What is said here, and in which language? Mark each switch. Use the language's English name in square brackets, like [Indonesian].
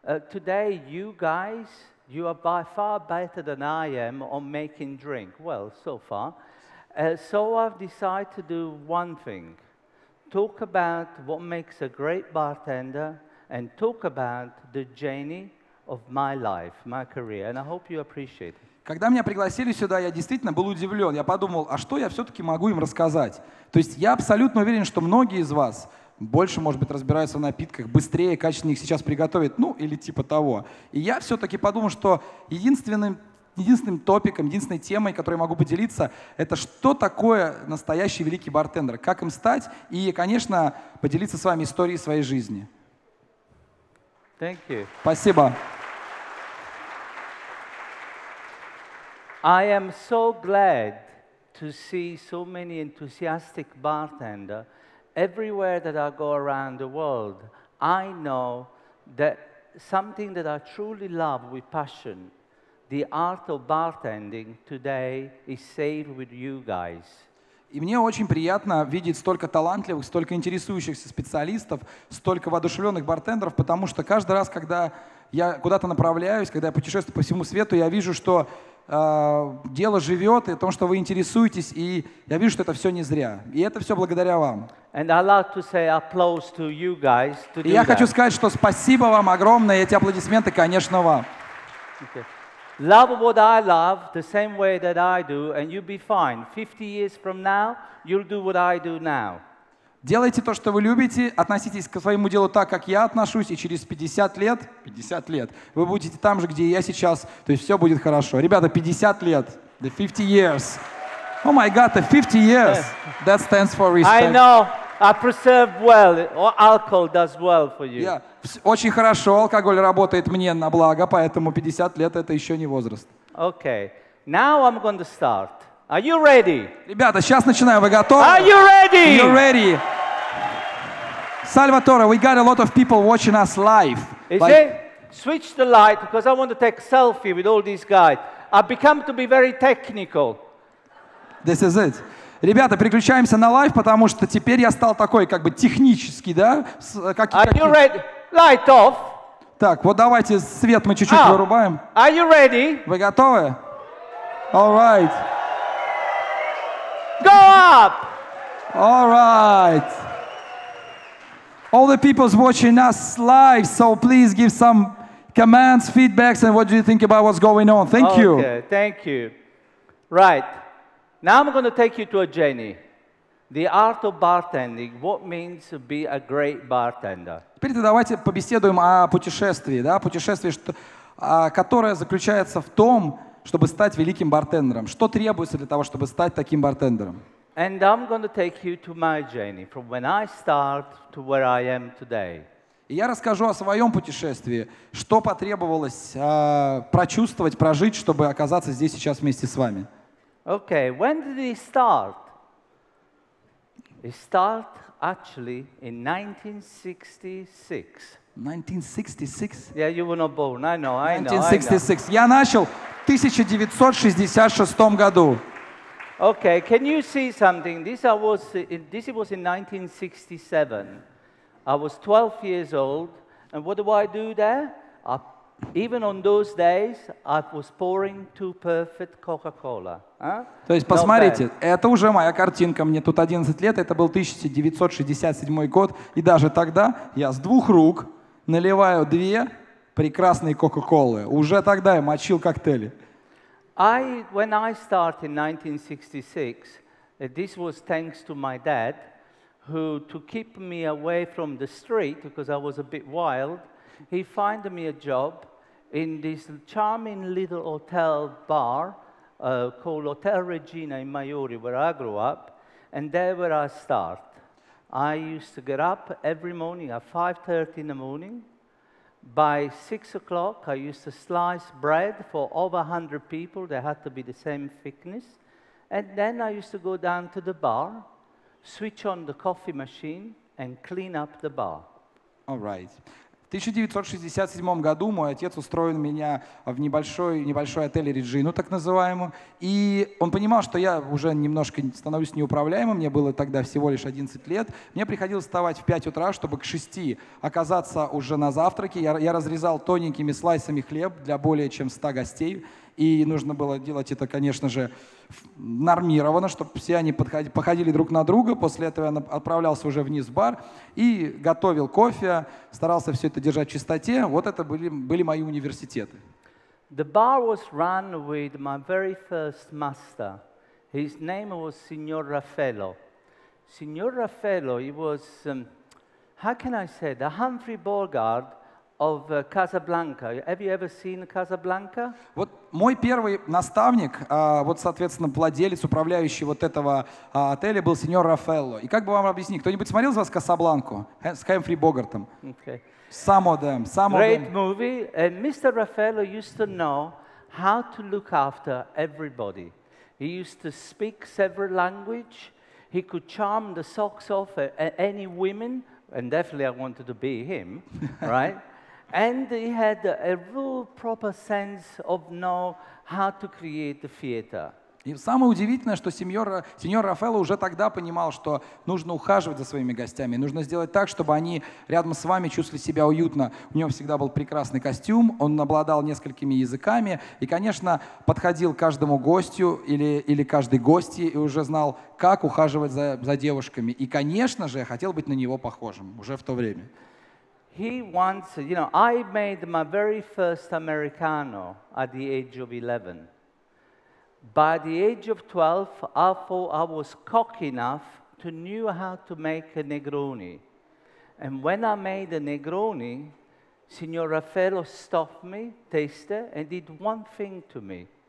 [English] Today, you guys, you are by far better than I am on making drink. Well, so far. So I've decided to do one thing. Talk about what makes a great bartender and talk about the journey of my life, my career. And I hope you appreciate it. [Russian] Когда меня пригласили сюда, я действительно был удивлен. Я подумал, а что я все-таки могу им рассказать? То есть я абсолютно уверен, что многие из вас больше, может быть, разбираются в напитках, быстрее, качественнее их сейчас приготовят, ну или типа того. И я все-таки подумал, что единственным топиком, единственной темой, которой я могу поделиться, это что такое настоящий великий бартендер, как им стать и, конечно, поделиться с вами историей своей жизни. [English] Thank you. [Russian] Спасибо. [English] I am so glad to see so many enthusiastic bartenders everywhere that I go around the world. I know that something that I truly love with passion, the art of bartending today is saved with you guys. [Russian] И мне очень приятно видеть столько талантливых, столько интересующихся специалистов, столько воодушевленных бартендеров, потому что каждый раз, когда я куда-то направляюсь, когда я путешествую по всему свету, я вижу, что дело живет, и о том, что вы интересуетесь, и я вижу, что это все не зря. И это все благодаря вам. [English] And I'd like to say applause to you guys to do that. [Russian] И я хочу сказать, что спасибо вам огромное, и эти аплодисменты, конечно, вам. [English] Love what I love the same way that I do, and you'll be fine. 50 years from now, you'll do what I do now. [Russian] Делайте то, что вы любите, относитесь к своему делу так, как я отношусь, и через 50 лет, вы будете там же, где и я сейчас, то есть все будет хорошо. Ребята, 50 лет, [English] the 50 years. Oh my God, the 50 years, that stands for respect. I know, I preserve well, alcohol does well for you. Yeah. [Russian] Очень хорошо, алкоголь работает мне на благо, поэтому 50 лет это еще не возраст. [English] Okay, now I'm going to start. Are you ready? [Russian] Ребята, сейчас начинаем. Вы готовы? [English] Are you ready? You're ready. Salvatore, we got a lot of people watching us live. Is like, it? Switch the light because I want to take a selfie with all these guys. I've become to be very technical. This is it. [Russian] Ребята, переключаемся на live, потому что теперь я стал такой, как бы технический, да? [English] Are you ready? Light off. [Russian] Так, вот давайте свет мы чуть-чуть вырубаем. [English] Are you ready? [Russian] Вы готовы? [English] All right. Go up! All right. All the people watching us live, so please give some comments, feedbacks, and what do you think about what's going on? Thank okay, you. Okay, thank you. Right. Now I'm going to take you to a journey. The art of bartending, what means to be a great bartender? [Russian] Теперь давайте побеседуем о путешествии, да, путешествии, которое заключается в том, чтобы стать великим бартендером. Что требуется для того, чтобы стать таким бартендером? [English] And I'm going to take you to my journey from when I start to where I am today. [Russian] И я расскажу о своем путешествии, что потребовалось прочувствовать, прожить, чтобы оказаться здесь сейчас вместе с вами. [English] Okay, when did it start? It started actually in 1966. 1966? Yeah, you were not born. I know, I know. [Russian] 1966. Я начал в 1966 году. [English] Okay, can you see something? This was in 1967. I was 12 years old, and what do? Even on those days, I was pouring two perfect Coca-Cola. [Russian] То есть, посмотрите, это уже моя картинка. Мне тут 11 лет, это был 1967 год, и даже тогда я с двух рук наливаю две прекрасные Кока-Колы. Уже тогда я мочил коктейли. [English] When I started in 1966, this was thanks to my dad, who to keep me away from the street, because I was a bit wild, he found me a job in this charming little hotel bar called Hotel Regina in Maiori, where I grew up, and there where I start. I used to get up every morning at 5:30 in the morning. By 6 o'clock, I used to slice bread for over 100 people. They had to be the same thickness. And then I used to go down to the bar, switch on the coffee machine, and clean up the bar. All right. [Russian] В 1967 году мой отец устроил меня в небольшой отель Реджину, так называемую. И он понимал, что я уже немножко становлюсь неуправляемым. Мне было тогда всего лишь 11 лет. Мне приходилось вставать в 5 утра, чтобы к 6 оказаться уже на завтраке. Я разрезал тоненькими слайсами хлеб для более чем 100 гостей. И нужно было делать это, конечно же, нормированно, чтобы все они походили друг на друга. После этого я отправлялся уже вниз в бар и готовил кофе, старался все это держать в чистоте. Вот это были мои университеты. [English] The bar was run with my very first master. His name was Signor Raffaello. Signor Raffaello, he was, how can I say, the Humphrey Bogart of Casablanca. Have you ever seen Casablanca? [Russian] Вот мой первый наставник, вот, соответственно, владелец, управляющий вот этого отеля, был сеньор Рафаэлло. И как бы вам объяснить, кто-нибудь смотрел из вас Casablanca с Хэмфри Богартом? [English] Great movie. And Mr. Rafaello used to know how to look after everybody. He used to speak several languages. He could charm the socks off any women, and definitely I wanted to be him, right? And he had a real proper sense of know how to create the theater. [Russian] И самое удивительное, что сеньор Рафаэло уже тогда понимал, что нужно ухаживать за своими гостями, нужно сделать так, чтобы они рядом с вами чувствовали себя уютно. У него всегда был прекрасный костюм, он обладал несколькими языками и, конечно, подходил каждому гостю или каждой гости и уже знал, как ухаживать за девушками. И, конечно же, я хотел быть на него похожим уже в то время. [English] He wants, you know, I made my very first Americano at the age of 11. By the age of 12, I thought I was cocky enough to knew how to make a Negroni. And when I made a Negroni, Signor Raffaello stopped me, tasted, and did one thing to me.